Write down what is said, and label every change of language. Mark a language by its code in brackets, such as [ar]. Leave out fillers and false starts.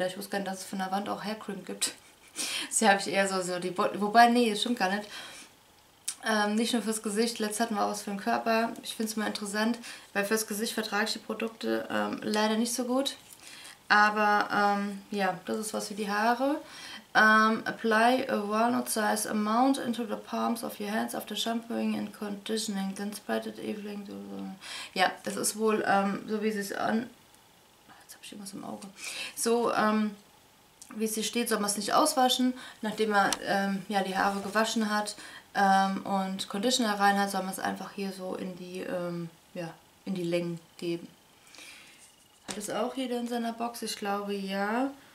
[de] Ich wusste gar nicht, dass es von der Wand auch Hair Cream gibt. Das habe ich eher so die Botten. Wobei, nee, das stimmt gar nicht. Nicht nur fürs Gesicht. Letztes hatten wir auch was für den Körper. Ich finde es mal interessant, weil fürs Gesicht vertrage ich die Produkte leider nicht so gut. Aber das ist was für die Haare. [en] Apply a walnut size amount into the palms of your hands after shampooing and conditioning. Then spread it evenly. [de] Ja, das ist wohl so wie sie es an. Jetzt habe ich irgendwas im Auge. So wie es hier steht, soll man es nicht auswaschen. Nachdem man die Haare gewaschen hat und Conditioner rein hat, soll man es einfach hier so in die Längen geben. Hat es auch jeder in seiner Box? Ich glaube ja.